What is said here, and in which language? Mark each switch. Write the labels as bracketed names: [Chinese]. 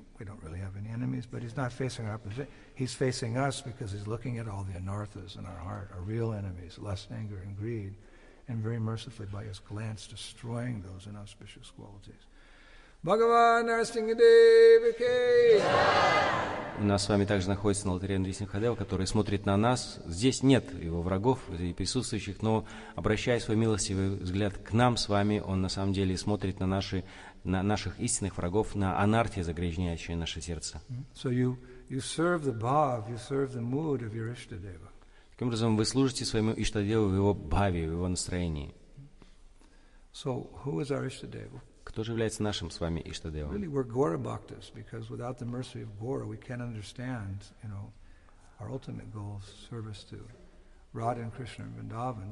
[English] We don't really have any enemies, but he's not facing our opposition. He's facing us because he's looking at all the anarthas in our heart, our real enemies, lust, anger, and greed, and very mercifully by his glance destroying those inauspicious qualities. [Russian] Бхагаван Нарисимхадева ки. У нас с вами также находится на алтаре Нарисимхадева, который смотрит на нас. Здесь нет его врагов и присутствующих, но обращая свой милостивый взгляд к нам с вами, он на самом деле смотрит на наших истинных врагов, на анарти, загрязняющие наше сердце. [English] So you serve the bhav, you serve the mood of your Ishtadeva. [Russian] Таким образом, вы служите своему Иштадеву в его бхаве, в его настроении. [English] So who is our Ishtadeva? [Russian] Кто же является нашим с вами Иштадевом? [English] Really, we're Gaura Bhaktas, because without the mercy of Gaura, we can't understand, our ultimate goal, service to Radha and Krishna and Vrindavan.